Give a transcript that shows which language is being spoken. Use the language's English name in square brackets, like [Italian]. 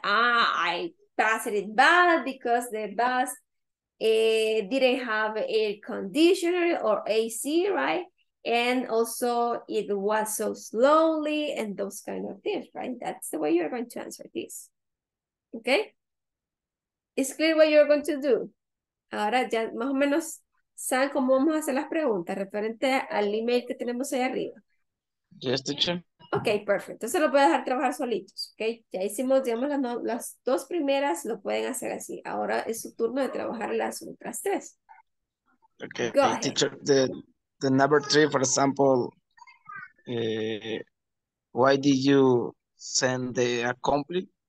[English] Ah, I passed it bad because the bus didn't have air conditioner or AC, right? And also, it was so slowly and those kind of things, right? That's the way you're going to answer this, okay? It's clear what you're going to do. [Spanish] Ahora ya más o menos saben cómo vamos a hacer las preguntas referente al email que tenemos ahí arriba. [English] Yes, teacher. Okay, perfect. [Spanish] Entonces lo voy a dejar trabajar solitos, okay? Ya hicimos, digamos, las dos primeras, lo pueden hacer así. Ahora es su turno de trabajar las otras tres. [English] Okay, go ahead. Teacher, the number three, for example, why did you send the complaint?